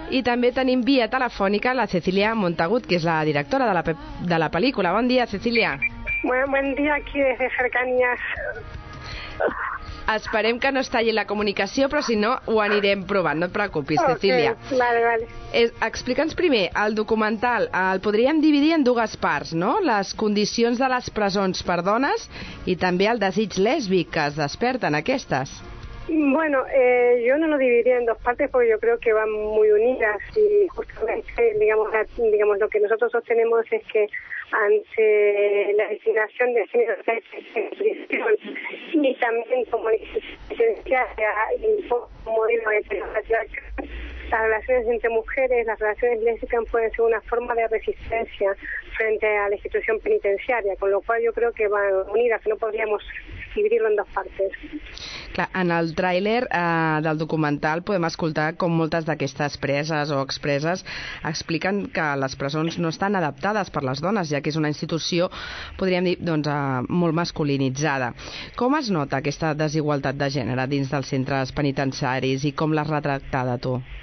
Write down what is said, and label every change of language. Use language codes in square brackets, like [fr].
[ca] I també tenim via telefònica la Cecília Montagut, que és la directora de la pel·lícula. Bon dia, Cecília. Bon dia [es] aquí desde Cercanías. [ca] Esperem que no es talli la comunicació, però si no, ho anirem provant. No et preocupis, Cecília. [es] Okay, vale, vale. [ca] Explica'ns primer, el documental el podríem dividir en dues parts, no? Les condicions de les presons per dones i també el desig lèsbic que es desperten aquestes. [es] Bueno, yo no lo dividiría en dos partes porque yo creo que van muy unidas y justamente, digamos lo que nosotros sostenemos es que ante la designación de género en prisión y también como existencia y modelo de las relaciones entre mujeres, las relaciones lésbicas pueden ser una forma de resistencia frente a la institución penitenciaria, con lo cual yo creo que van unidas, no podríamos dividirlo en dos partes. [ca] Clar, en el tràiler del documental podem escoltar com moltes d'aquestes preses o expreses expliquen que les presons no estan adaptades per les dones, ja que és una institució, podríem dir, doncs, molt masculinitzada. Com es nota aquesta desigualtat de gènere dins dels centres penitenciaris i com l'has retractada tu?